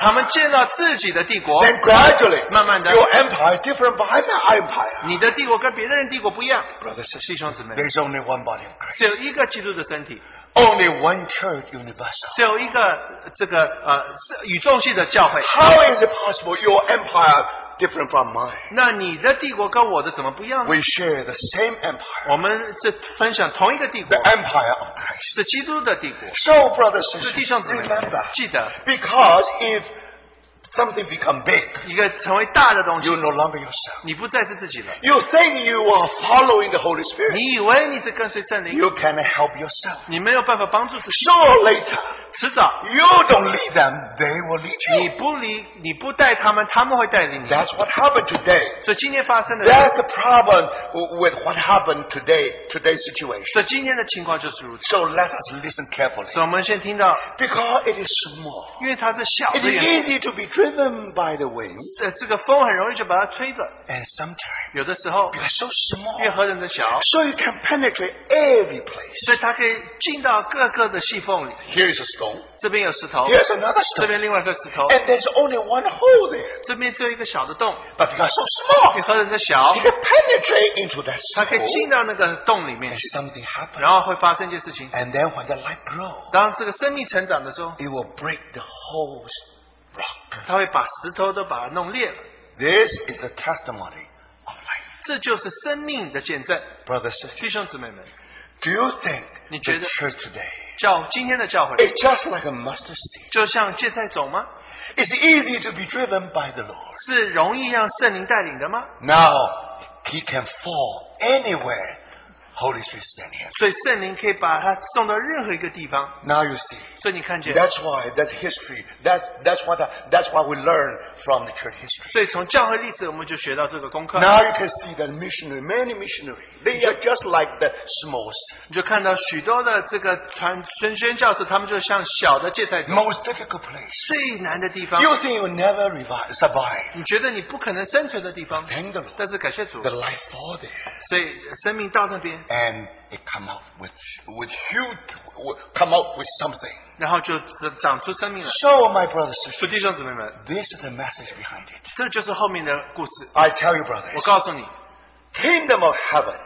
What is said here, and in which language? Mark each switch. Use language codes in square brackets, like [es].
[zh] 他们建造自己的帝国, [en] then gradually, [zh] 慢慢的, [en] your empire is different from my empire. [zh] 你的帝国跟别人帝国不一样, [en] brothers, [zh] 弟兄姊妹, [en] there is only one body of Christ. [zh] 只有一个基督的身体, [en] only one church universal. [zh] 只有一个这个宇宙性的教会. [en] How is it possible your empire different from mine? [zh] 那你的帝国跟我的怎么不一样呢? [en] We share the same empire. [zh] 我们是分享同一个帝国. [en] The empire of Christ. [zh] 是基督的帝国. [en] So, brothers and sisters, remember. [zh] 记得. [en] Because if something become big, [zh] 一个成为大的东西, [en] you're no longer yourself. [zh] 你不再是自己了, [en] you think you are following the Holy Spirit. [zh] 你以为你是跟随圣灵, [en] you cannot help yourself. [zh] 你没有办法帮助自己, [en] so later, [zh] 迟早, [en] you don't lead them, they will lead you. [zh] 你不带他们, [en] that's what happened today. [zh] 所以今天发生的, [en] that's the problem with what happened today, today's situation. [zh] 所以今天的情况就是如此, [en] so let us listen carefully. [zh] 所以我们先听到, [en] because it is small, [zh] 因为它是小, [en] it is easy to be driven by the wind. [zh] 这个风很容易就把它吹着, [en] and sometimes, [zh] 有的时候, [en] because so small, [zh] 因为何等的小, [en] so you can penetrate every place. [zh] 所以它可以进到各个的细缝里, [en] here is a stone, [zh] 这边有石头, [en] here's another stone, [zh] 这边另外一个石头, [en] and there's only one hole there. [zh] 这边只有一个小的洞, [en] but because so small, [zh] 因为何等的小, [en] you can penetrate into that stone, [zh] 它可以进到那个洞里面, [en] and something happens, [zh] 然后会发生一件事情, [en] and then when the light grows, [zh] 当这个生命成长的时候, [en] it will break the holes. [zh] 他会把石头都把它弄裂了. [en] This is a testimony of life. [zh] 这就是生命的见证. [en] Brothers and sisters, [zh] 弟兄姊妹们, [en] do you think [zh] 你觉得, [en] the church today, [zh] 今天的教会, [en] it's just like a mustard seed. [zh] 就像芥菜种吗? [en] It's easy to be driven by the Lord. [zh] 是容易让圣灵带领的吗? [en] Now, he can fall anywhere Holy Spirit sent him. [zh] 所以圣灵可以把他送到任何一个地方. [en] Now you see. [zh] 所以你看见, [en] that's why that history. That's what we learn from the church history. [zh] 所以从教会历史我们就学到这个功课. [en] Now you can see that missionary, many missionaries, they are just like the small seed. [zh] 你就看到许多的这个传宣教士，他们就像小的芥菜种. [en] Most difficult place. [zh] 最难的地方. [en] You think you will never revive, survive. [zh] 你觉得你不可能生存的地方. [en] Thank the Lord. [zh] 但是感谢主, [en] the life fall there. [zh] 所以生命到那边. [en] And it come out with huge, come out with something. [zh] 然后就长出生命了. [en] So, my brothers and sisters, [zh] 弟兄姊妹们, [en] this is the message behind it. [zh] 这就是后面的故事. [en] I tell you, brothers, [zh] 我告诉你, [en] kingdom of heaven,